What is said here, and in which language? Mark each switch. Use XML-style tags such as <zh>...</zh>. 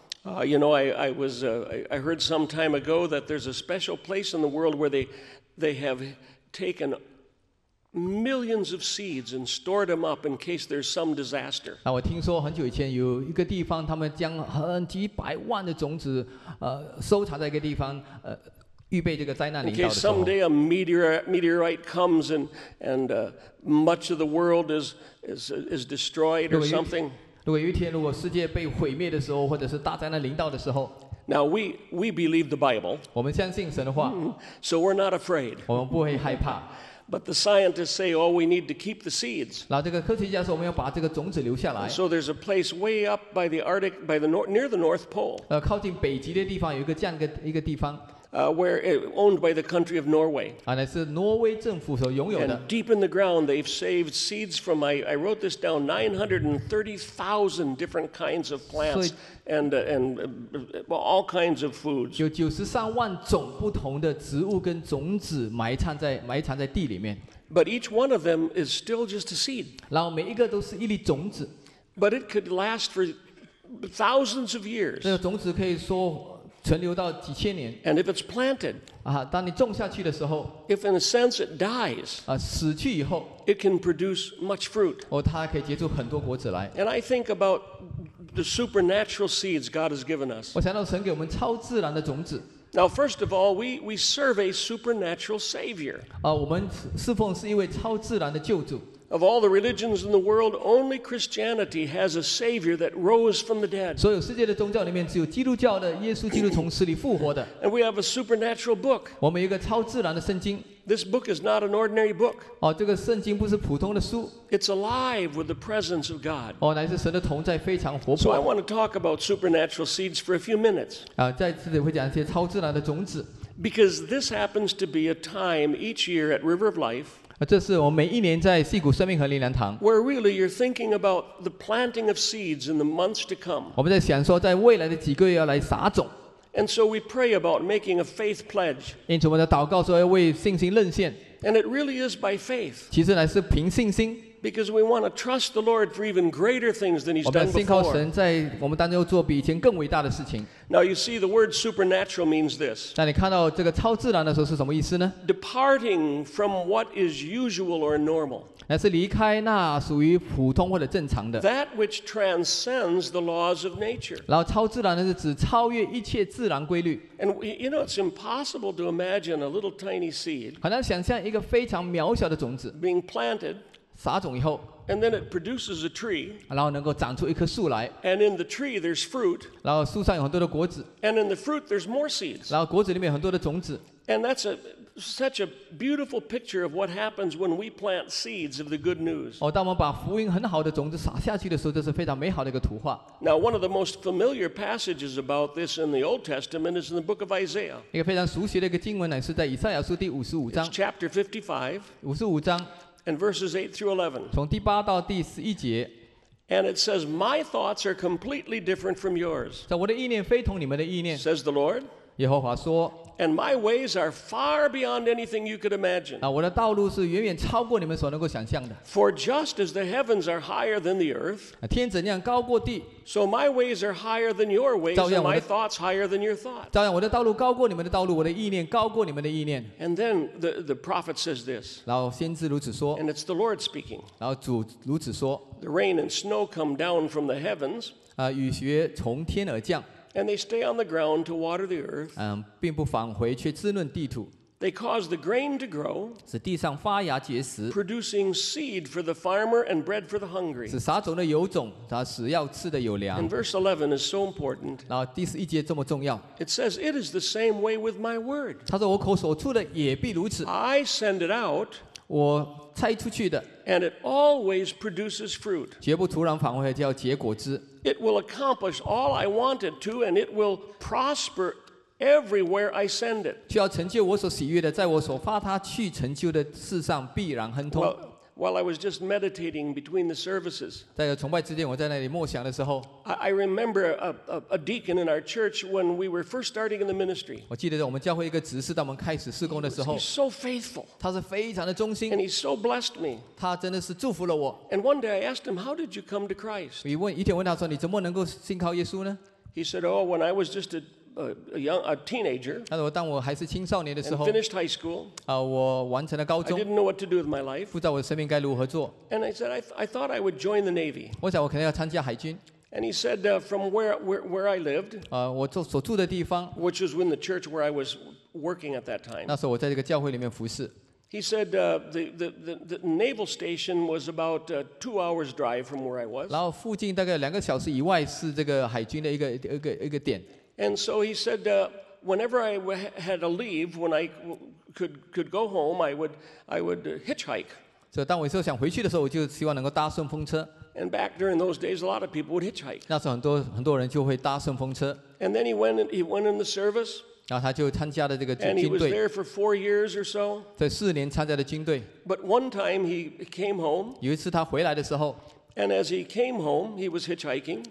<en>You know, I heard some time ago that there's a special place in the world where they have taken millions of seeds and stored them up in case there's some disaster.</en> <zh>我听说很久以前有一个地方，他们将很几百万的种子，收藏在一个地方，预备这个灾难临到的时候。</zh> <en>Someday a meteorite comes and much of the world is destroyed or something.</en> <zh>如果有一天，如果世界被毁灭的时候，或者是大灾难临到的时候。</zh> <en>Now we believe the Bible.</en> <zh>我们相信神的话。</zh> <en>So we're not afraid.</en> <zh>我们不会害怕。</zh> <en>But the scientists say, "Oh, we need to keep the seeds."</en> <zh>然后这个科学家说，我们要把这个种子留下来。</zh> <en>So there's a place way up by the Arctic, by the north, near the North Pole.</en> <zh>靠近北极的地方有一个这样一个地方。</zh> <en>Where it, owned by the country of Norway.</en> <zh>那是挪威政府所拥有的。</zh> <en>And deep in the ground, they've saved seeds from I wrote this down 930,000 different kinds of plants and all kinds of foods.</en> <zh>有93万种不同的植物跟种子埋藏在地里面。</zh> <en>But each one of them is still just a seed.</en> <zh>然后每一个都是一粒种子。</zh> <en>But it could last for thousands of years.</en> <zh>这个种子可以说。存留到几千年。</zh> <en>And if it's planted,</en> <zh>当你种下去的时候</zh> <en>，if in a sense it dies,</en> <zh>死去以后</zh> <en>，it can produce much fruit.</en> <zh>它可以结出很多果子来。</zh> <en>And I think about the supernatural seeds God has given us.</en> <zh>我想到神给我们超自然的种子。</zh> <en>Now, first of all, we serve a supernatural Savior.</en> <zh>我们侍奉是一位超自然的救主。</zh> <en>Of all the religions in the world, only Christianity has a Savior that rose from the dead.</en> <zh>所有世界的宗教里面，只有基督教的耶稣基督从死里复活的。</zh> <en>And we have a supernatural book.</en> <zh>我们有一个超自然的圣经。</zh> <en>This book is not an ordinary book.</en> <zh>这个圣经不是普通的书。</zh> <en>It's alive with the presence of God.</en> <zh>乃是神的同在，非常活泼。</zh> <en>So I want to talk about supernatural seeds for a few minutes.</en> <zh>在这里会讲一些超自然的种子。</zh> <en>Because this happens to be a time each year at River of Life.</en> <zh>这是我每一年在细谷生命和灵粮堂。</zh> <en>Where really you're thinking about the planting of seeds in the months to come.</en> <zh>我们在想说，在未来的几个月要来撒种。</zh> <en>And so we pray about making a faith pledge.</en> <zh>因此，我们在祷告说要为信心认献。</zh> <en>And it really is by faith.</en> <zh>其实乃是凭信心。</zh> <en>Because we want to trust the Lord for even greater things than He's done before.</en> <zh>我们信靠神，在我们当中做比以前更伟大的事情。</zh> <en>Now you see, the word supernatural means this.</en> <zh>那你看到这个超自然的时候是什么意思呢？</zh> <en>Departing from what is usual or normal.</en> <zh>乃是离开那属于普通或者正常的。</zh> <en>That which transcends the laws of nature.</en> <zh>然后超自然的是指超越一切自然规律。</zh> <en>And you know, it's impossible to imagine a little tiny seed.</en> <zh>很难想象一个非常渺小的种子。</zh> <en>Being planted.</en> <zh>撒种以后</zh> <en>and then it produces a tree,</en> <zh>然后能够长出一棵树来</zh> <en>and in the tree, there's fruit,</en> <zh>然后树上有很多的果子</zh> <en>and in the fruit, there's more seeds,</en> <zh>然后果子里面有很多的种子</zh> <en>and that's such a beautiful picture of what happens when we plant seeds of the good news.</en> <zh>当我们把福音很好的种子撒下去的时候，这是非常美好的一个图画。</zh> <en>Now, one of the most familiar passages about this in the Old Testament is in the book of Isaiah.</en> <zh>一个非常熟悉的一个经文乃是在以赛亚书第五十五章</zh> <en>It's chapter 55.</en> <zh>五十五章</zh> <en>And verses 8 through 11.</en> <zh>从第八到第十一节。</zh> <en>And it says, My thoughts are completely different from yours.</en> <zh>在我的意念非同你们的意念。</zh> <en>Says the Lord.</en> <zh>耶和华说。</zh> <en>And my ways are far beyond anything you could imagine.</en> <zh>我的道路是远远超过你们所能够想象的。</zh> <en>For just as the heavens are higher than the earth.</en> <zh>天怎样高过地。</zh> <en>So my ways are higher than your ways, and my thoughts higher than your thoughts.</en> <zh>照样我的道路高过你们的道路，我的意念高过你们的意念。</zh> <en>And then the prophet says this.</en> <zh>然后先知如此说。</zh> <en>And it's the Lord speaking.</en> <zh>然后主如此说。</zh> <en>The rain and snow come down from the heavens.</en> <zh>雨雪从天而降。</zh> <en>And they stay on the ground to water the earth.</en> <zh>并不返回，却滋润地土。</zh> <en>They cause the grain to grow,</en> <zh>使地上发芽结实。</zh> <en>Producing seed for the farmer and bread for the hungry.</en> <zh>使撒种的有种，他食要吃的有粮。</zh> <en>And verse 11 is so important.</en> <zh>然后第十一节这么重要。</zh> <en>It says, "It is the same way with my word."</en> <zh>他说我口所出的也必如此。</zh> <en>I send it out.</en> <zh>我拆出去的。</zh> <en>And it always produces fruit.</en> <zh>绝不突然返回，就要结果子。</zh> <en>It will accomplish all I want it to, and it will prosper everywhere I send it.</en> <zh>就要成就我所喜悦的，在我所发它去成就的事上必然亨通。</zh> <en>Well, while I was just meditating between the services,</en> <zh>在崇拜之间，我在那里默想的时候</zh> <en>，I remember a deacon in our church when we were first starting in the ministry.</en> <zh>我记得我们教会一个执事，当我们开始事工的时候</zh> <en>，He's so faithful.</en> <zh>他是非常的忠心</zh> <en>，and he so blessed me.</en> <zh>他真的是祝福了我。</zh> <en>And one day I asked him, "How did you come to Christ?"</en> <zh>一天问他说，你怎么能够信靠耶稣呢</zh> <en>？He said, "Oh, when I was just a teenager."</en> <zh>他说，当我还是青少年的时候</zh> <en>，and finished high school.</en> <zh>我完成了高中。</zh> <en>I didn't know what to do with my life.</en> <zh>不知道我的生命该如何做。</zh> <en>And I said, "I thought I would join the Navy."</en> <zh>我想我可能要参加海军。</zh> <en>And he said, "From where I lived."</en> <zh>我所住的地方。</zh> <en>Which was in the church where I was working at that time.</en> <zh>那时候我在这个教会里面服侍。</zh> <en>He said, the naval station was about two hours drive from where I was."</en> <zh>然后附近大概两个小时以外是这个海军的一个点。</zh> <en>And so he said, whenever I had a leave, when I could go home, I would hitchhike.</en> <zh>所以当我有时候想回去的时候，我就希望能够搭顺风车。</zh> <en>And back during those days, a lot of people would hitchhike.</en> <zh>那时候很多人就会搭顺风车。</zh> <en>And then he went in the service.</en> <zh>然后他就参加了这个军队。</zh> <en>And he was there for 4 years or so.</en> <zh>在四年参加的军队。</zh> <en>But one time he came home.</en> <zh>有一次他回来的时候。</zh> <en>And as he came home, he was hitchhiking.</en>